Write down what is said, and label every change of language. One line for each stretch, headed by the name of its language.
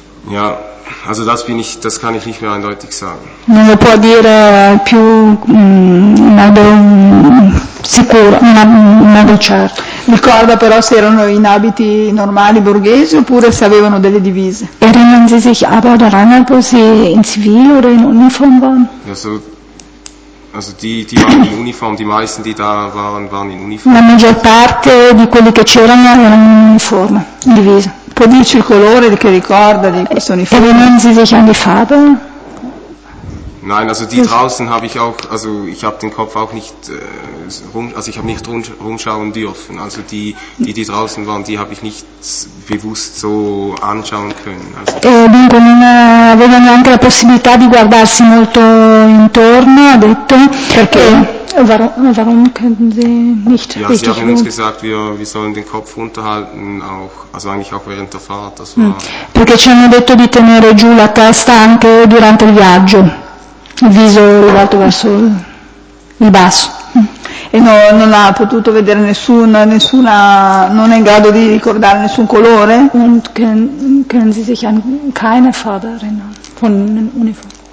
German: Ja, also das bin ich, das kann ich nicht mehr eindeutig sagen.
Italian: Non lo può dire più in modo certo. Ricorda però se erano in abiti normali borghesi oppure se avevano delle divise.
German: Erinnern Sie sich aber daran, ob sie in Zivil oder in Uniform waren? Also die waren in Uniform, die meisten, die da waren in Uniform.
Italian: La maggior parte di quelli che c'erano erano in uniforme, in divisa. Può dirci il colore che ricorda di questo uniforme?
German: Erinnern Sie sich an die Farbe? Nein, also die draußen habe ich auch, also ich habe den Kopf auch nicht also ich habe nicht rumschauen dürfen. Also die draußen waren, die habe ich nicht bewusst so anschauen können. Also
Italian: dunque non aveva neanche la possibilità di guardarsi molto intorno, ha detto. Perché?
German: Warum könnten Sie nicht ja, richtig? Ja, sie haben uns gesagt, wir sollen den Kopf unterhalten, auch, also eigentlich auch während der Fahrt. Das war
Italian: perché ci hanno detto di tenere giù la testa anche durante il viaggio. Il viso rivolto verso il basso. E no, non ha potuto vedere nessuna, non è in grado di ricordare nessun colore?
German: Und können Sie sich an keine Farbe erinnern von den Uniform?